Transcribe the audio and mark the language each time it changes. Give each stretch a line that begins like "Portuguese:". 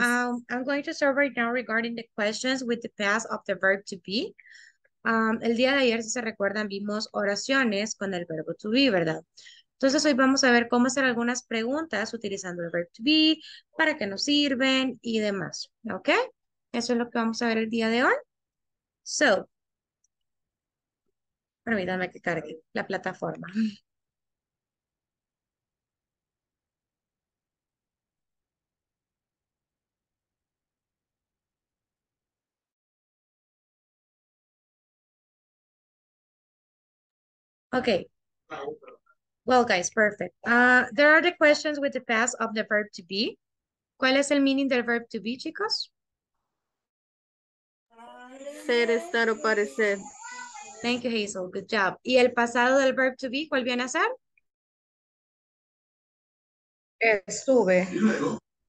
English: I'm going to start right now regarding the questions with the past of the verb to be.
Spanish: El día de ayer, si se recuerdan, vimos oraciones con el verbo to be, ¿verdad? Entonces, hoy vamos a ver cómo hacer algunas preguntas utilizando el verbo to be, para qué nos sirven y demás. Okay. Eso es lo que vamos a ver el día de hoy. So, permítanme que cargue la plataforma.
English: Okay. Well, guys, perfect. There are the questions with the past of the verb to be.
Spanish: ¿Cuál es el
English: meaning
Spanish: del verb to be, chicos? Ser, estar o parecer.
English: Thank you, Hazel. Good job.
Spanish: ¿Y el pasado del verb to be, cuál viene a ser? Estuve.